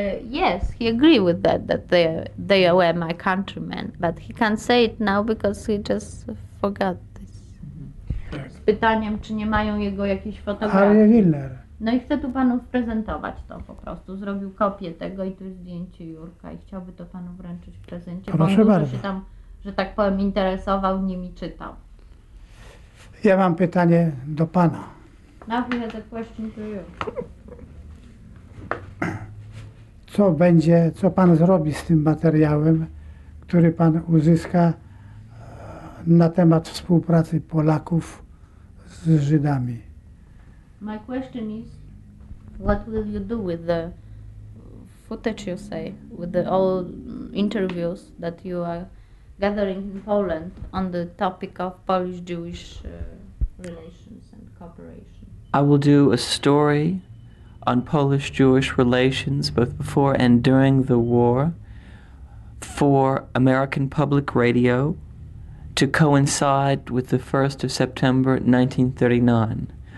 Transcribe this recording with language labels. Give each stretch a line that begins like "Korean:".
English: Yes, he agreed with that they were my countrymen, but he can't say it now because he just forgot this.
Polish: Z pytaniem, czy nie mają jego jakiejś fotografii. Harry Willner. No i chcę tu panu prezentować to po prostu. Zrobił kopię tego i tu jest zdjęcie Jurka i chciałby to panu wręczyć w prezencie. Proszę Bo on dużo się tam, że tak powiem, interesował nim i czytał. Ja mam pytanie do pana.
English: Now he has a question to you.
Polish: Co będzie, co pan zrobi z tym materiałem, który pan uzyska na temat współpracy Polaków z Żydami?
English: My question is, what will you do with the footage, you say, with the all interviews that you are gathering in Poland on the topic of Polish-Jewish relations and cooperation? I will do a story on Polish-Jewish relations both before and during the war for American Public Radio to coincide with the 1st of September 1939.